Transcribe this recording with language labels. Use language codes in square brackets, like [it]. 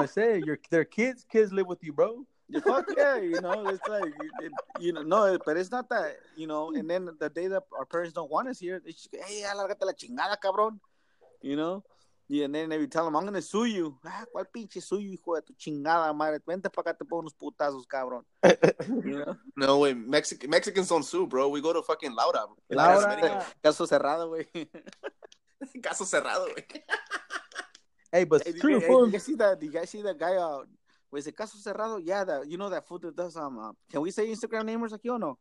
[en] That's what I say. Their kids live with you, bro. Yeah, fuck yeah, you know, it's like, but it's not that, you know, and then the day that our parents don't want us here, they just, hey, [es] alárgate la chingada, cabrón, [en] you know? Yeah, and then if you tell them, I'm going to sue you. [es] Ah, ¿cuál pinche sue you, hijo de tu chingada madre? Vente pa' acá, te pongo unos putazos, cabrón. No, güey. [en] Mexicans don't sue, bro. We go to fucking Laura. [es] Caso cerrado, güey. Caso cerrado, güey. [en] Hey, but it's true, fool. Did you guys see that guy out? Was it caso cerrado? Yeah, you know that food that does, can we say Instagram namers [es] aquí o no?